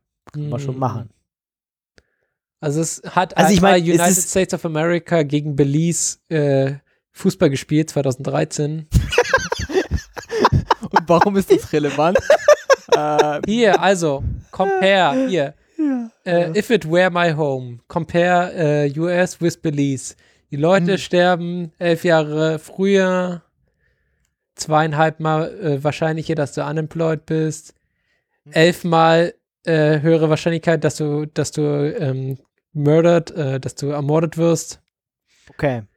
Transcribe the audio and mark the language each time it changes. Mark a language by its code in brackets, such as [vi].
[de] Kann man schon machen. Also es hat also einmal United States of America gegen Belize Fußball gespielt, 2013. Und warum ist das relevant? Hier, also, compare, hier. Ja. [en] If it were my home, compare US with Belize. [de] Die Leute sterben 11 Jahre früher, 2,5 mal wahrscheinlicher, dass du unemployed bist, 11 mal höhere Wahrscheinlichkeit, dass du ermordet wirst. Okay.